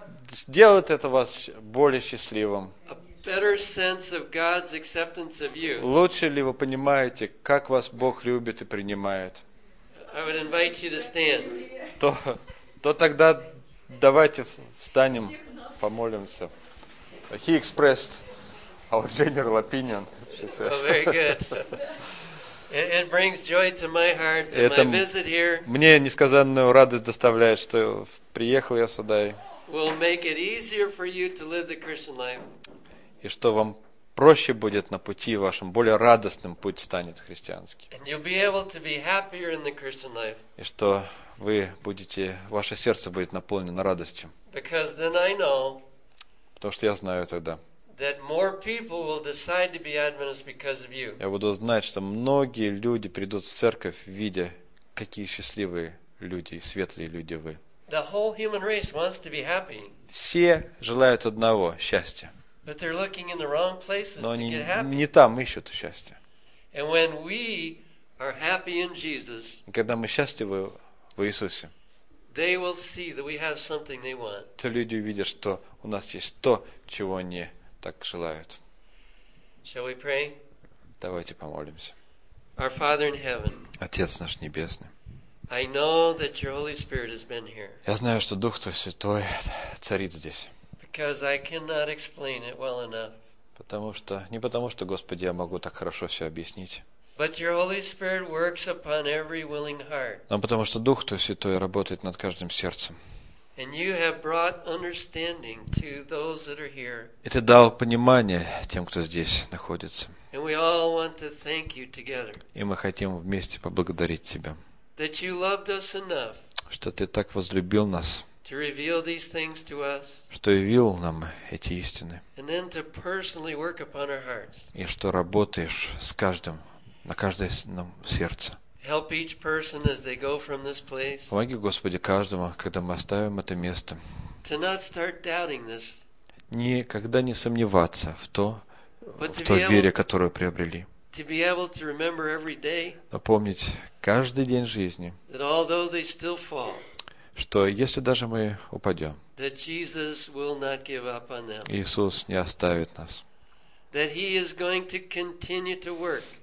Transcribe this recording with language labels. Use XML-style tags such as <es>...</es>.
<ru>Сделает это вас более счастливым.</ru> <en>A better sense of God's acceptance of you.</en> <ru>Лучше ли вы понимаете, как вас Бог любит и принимает?</ru> <en>I would invite you to stand.</en> <ru>То тогда давайте встанем, помолимся.</ru> <en>He expressed our general opinion. Oh, very good. It brings joy to my heart that my visit here.</en> <ru>Мне несказанную радость доставляет, что приехал я сюда.</ru> <en>Will make it easier for you to live the Christian life.</en> <ru>И что вам проще будет на пути вашем, более радостным путь станет христианский.</ru> <en>And you'll be able to be happier in the Christian life.</en> <ru>И что вы будете, ваше сердце будет наполнено радостью.</ru> <en>Because then I know.</en> <ru>Потому что я знаю тогда.</ru> <en>That more people will decide to be Adventists because of you.</en> <ru>Я буду знать, что многие люди придут в церковь, видя, какие счастливые люди, светлые люди вы.</ru> <en>The whole human race wants to be happy.</en> <ru>Все желают одного – счастья.</ru> <en>But they're looking in the wrong places to get happy.</en> <ru>Но они не там ищут счастья.</ru> <en>And when we are happy in Jesus.</en> <ru>Когда мы счастливы в Иисусе.</ru> <en>They will see that we have something they want.</en> <ru>То люди увидят, что у нас есть то, чего они так желают.</ru> <en>Shall we pray?</en> <ru>Давайте помолимся.</ru> <en>Our Father in heaven.</en> <ru>Отец наш небесный.</ru> <en>I know that your Holy Spirit has been here.</en> <ru>Я знаю, что Дух Твой Святой царит здесь.</ru> <en>Because I cannot explain it well enough.</en> <ru>Потому что, Господи, я могу так хорошо все объяснить.</ru> <en>But your Holy Spirit works upon every willing heart.</en> <ru>Но потому что Дух Твой Святой работает над каждым сердцем.</ru> <en>And you have brought understanding to those that are here.</en> <ru>И ты дал понимание тем, кто здесь находится.</ru> <en>And we all want to thank you together.</en> <ru>И мы хотим вместе поблагодарить тебя.</ru> <en>That you loved us enough.</en> <ru>Что ты так возлюбил нас.</ru> <en>To reveal these things to us.</en> <ru>Что явил нам эти истины.</ru> <en>And then to personally work upon our hearts.</en> <ru>И что работаешь с каждым на каждое сердце.</ru> <en>Help each person as they go from this place.</en> <ru>Помоги, Господи, каждому, когда мы оставим это место.</ru> <en>To not start doubting this.</en> <ru>Никогда не сомневаться в той вере, которую приобрели.</ru> <en>To be able to remember every day.</en> <ru>Но помнить каждый день жизни.</ru> <en>That although they still fall.</en> <ru>Что если даже мы упадем,</ru> <en>that Jesus will not give up on them.</en> <ru>Иисус не оставит нас.</ru> <en>That he is going to continue to work.</en>